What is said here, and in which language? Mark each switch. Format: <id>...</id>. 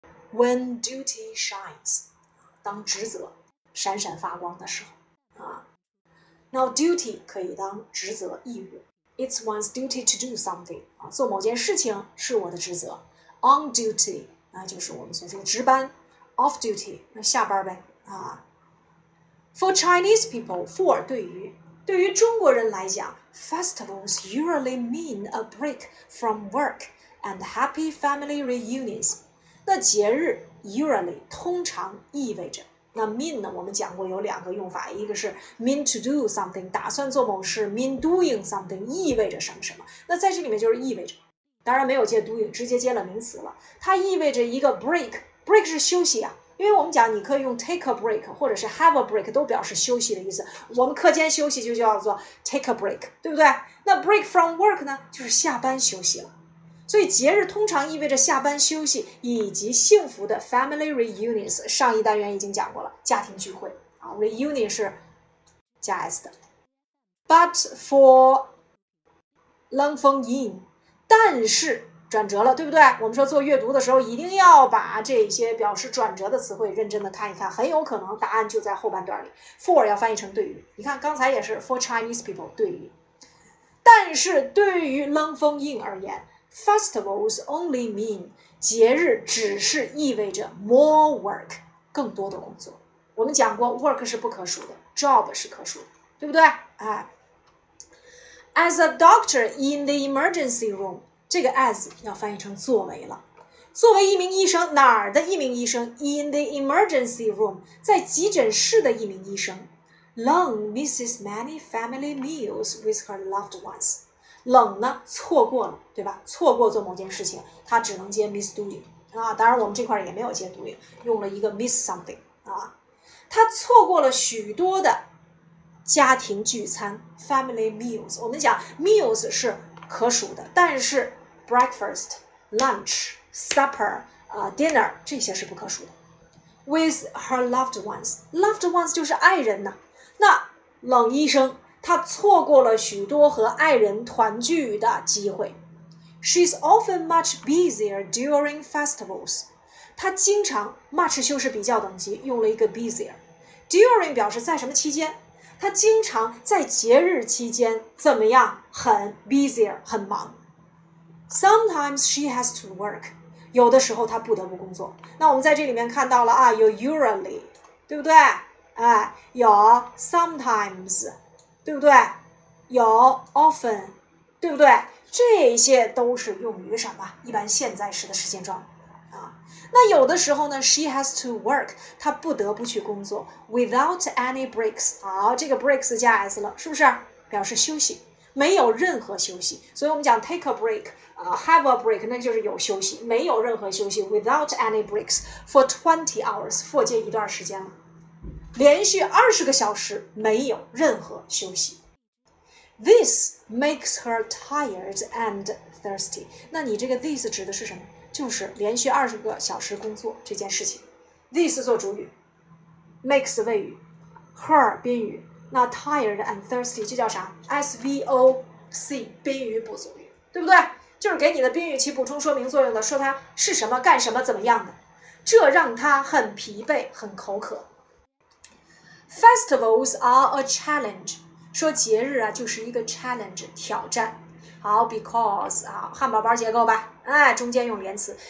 <en>When duty shines,</en> <zh>当职责闪闪发光的时候。 Now duty 可以当职责义务。</zh> <en>It's one's duty to do something,</en> <zh>做某件事情是我的职责。</zh> <en>On duty,</en> <zh>那就是我们所说的值班。</zh> <en>Off duty,</en> <zh>那下班呗。</zh> <en>For Chinese people, for</en> <zh>对于中国人来讲</zh> <en>,festivals usually mean a break from work and happy family reunions.</en> <zh>那节日 usually 通常意味着。那 mean 呢，我们讲过有两个用法，一个是</zh> <en>mean to do something,</en> <zh>打算做某事，</zh> <en>mean doing something,</en> <zh>意味着什么什么。那在这里面就是意味着，当然没有接 doing, 直接接了名词了。它意味着一个 break, break 是休息啊。因为我们讲你可以用</zh> <en>take a break,</en> <zh>或者是</zh> <en>have a break,</en> <zh>都表示休息的意思。我们课间休息就叫做</zh> <en>take a break,</en> <zh>对不对？那</zh> <en>break from work</en> <zh>呢，就是下班休息了。所以节日通常意味着下班休息以及幸福的</zh> <en>family reunions,</en> <zh>上一单元已经讲过了，家庭聚会。 reunion 是加 s 的。</zh> <en>But for Leng Feng Yin,</en> <zh>但是转折了，对不对？我们说做阅读的时候一定要把这些表示转折的词汇认真的看一看，很有可能答案就在后半段里。 For 要翻译成对于，你看刚才也是</zh> <en>for Chinese people,</en> <zh>对于。但是对于 Leng Feng Yin 而言，</zh> <en>Festivals only mean</en> <zh>节日只是意味着</zh> <en>more work</en> <zh>更多的工作。我们讲过 work 是不可数的， job 是可数的，对不对？</zh> <en>As a doctor in the emergency room,</en> <zh>这个 as 要翻译成作为了。作为一名医生，哪儿的一名医生？</zh> <en>In the emergency room,</en> <zh>在急诊室的一名医生。</zh> <en>Leng misses many family meals with her loved ones。</en> <zh>冷呢错过了，对吧？错过做某件事情，他只能接</zh> <en>miss doing</en> <zh>啊。当然我们这块也没有接 doing, 用了一个</zh> <en>miss something</en> <zh>啊。他错过了许多的家庭聚餐</zh> <en>family meals。</en> <zh>我们讲 meals 是可数的，但是 breakfast, lunch, supper, dinner 这些是不可数的。</zh> <en>with her loved ones, loved ones</en> <zh>就是爱人呢。那冷医生他错过了许多和爱人团聚的机会。</zh> <en>She's often much busier during festivals.</en> <zh>他经常 much 修饰比较等级，用了一个 busier. During 表示在什么期间？他经常在节日期间怎么样？很 busier, 很忙。</zh> <en>Sometimes she has to work.</en> <zh>有的时候他不得不工作。那我们在这里面看到了啊，有 usually, 对不对？有 sometimes. 对不对？有 often, 对不对？这些都是用于什么？一般现在时的时间状啊。那有的时候呢 ，</zh> <en>she has to work,</en> <zh>她不得不去工作 ，</zh> <en>without any breaks。</en> <zh>好，这个 breaks 加 s 了，是不是？表示休息，没有任何休息。所以我们讲</zh> <en>take a break, have a break,</en> <zh>那就是有休息，没有任何休息 ，</zh> <en>without any breaks for 20 hours,</en> <zh>for 接一段时间嘛。连续二十个小时没有任何休息。</zh> <en>This makes her tired and thirsty.</en> <zh>那你这个 this 指的是什么？就是连续二十个小时工作这件事情。 This 做主语 ，makes 谓语 ，her 宾语。那</zh> <en>tired and thirsty</en> <zh>这叫啥 ？SVOC 宾语补足语，对不对？就是给你的宾语起补充说明作用的，说它是什么、干什么、怎么样的。这让她很疲惫、很口渴。</zh> <en>Festivals are a challenge.</en> <zh>说节日啊，就是一个 challenge, 挑战。好 ，because 啊，汉堡包结构吧，哎，中间用连词。</zh>